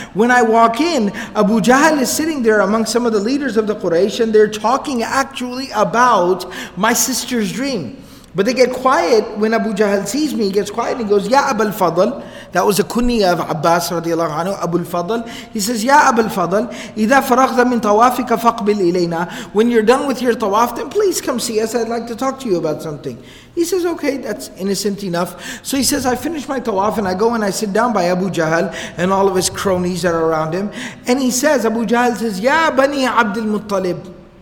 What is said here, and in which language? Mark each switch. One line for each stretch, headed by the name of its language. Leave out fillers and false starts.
English: When I walk in, Abu Jahl is sitting there among some of the leaders of the Quraysh, and they're talking actually about my sister's dream. But they get quiet when Abu Jahl sees me. He gets quiet and he goes, Ya Abu al-Fadl. That was a kunya of Abbas radiallahu anhu, Abu al-Fadl. He says,
Arabic: Ya Abu al-Fadl, إِذَا فَرَغْتَ مِن تَوَافِكَ فَقْبِلْ إِلَيْنَا.
English: When you're done with your tawaf, then please come see us. I'd like to talk to you about something. He says, okay, that's innocent enough. So he says, I finish my tawaf and I go and I sit down by Abu Jahl and all of his cronies that are around him. And he says, Abu Jahl says, Ya Bani Abdul Muttalib.